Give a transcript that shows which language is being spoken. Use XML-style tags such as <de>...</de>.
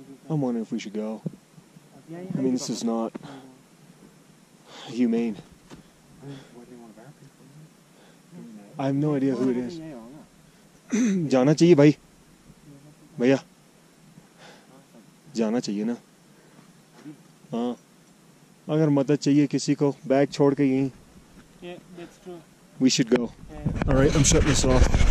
<en>I'm wondering if we should go. I mean, this is not humane. I have no idea who it is.</en> <hi>जाना चाहिए भाई, भैया. जाना चाहिए ना हां अगर मदद चाहिए किसी को बैग छोड़ के यहीं</hi> <en>yeah, that's true. We should go. Yeah. All right, I'm shutting this off.</en>